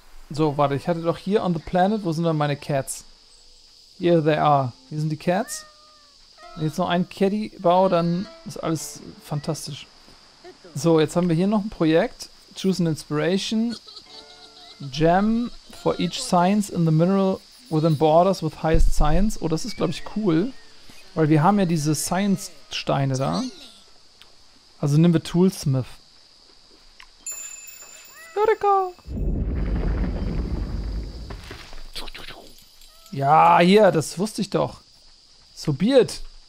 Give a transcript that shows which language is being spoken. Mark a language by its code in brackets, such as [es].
[de] So, warte, ich hatte doch hier [en] on the planet, [de] wo sind denn meine Cats? [en] Here they are. [de] Hier sind die Cats. Wenn ich jetzt noch einen Caddy baue, dann ist alles fantastisch. So, jetzt haben wir hier noch ein Projekt. [en] Choose an inspiration. Gem for each science in the mineral within borders with highest science. [de] Oh, das ist, glaube ich, cool. Weil wir haben ja diese Science-Steine da. Also nehmen wir Toolsmith. Eureka! Ja, hier, das wusste ich doch. [en] So be it.